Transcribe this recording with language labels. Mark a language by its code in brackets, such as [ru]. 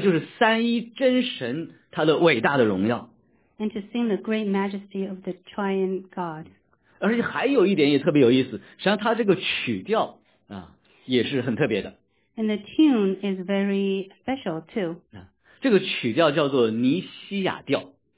[zh] 就是三一真神他的伟大的荣耀。 [en] And to sing the great majesty of the triune God. [zh] 而且还有一点也特别有意思，实际上他这个曲调也是很特别的。 [en] And the tune is very special too. [zh] 这个曲调叫做尼西亚调。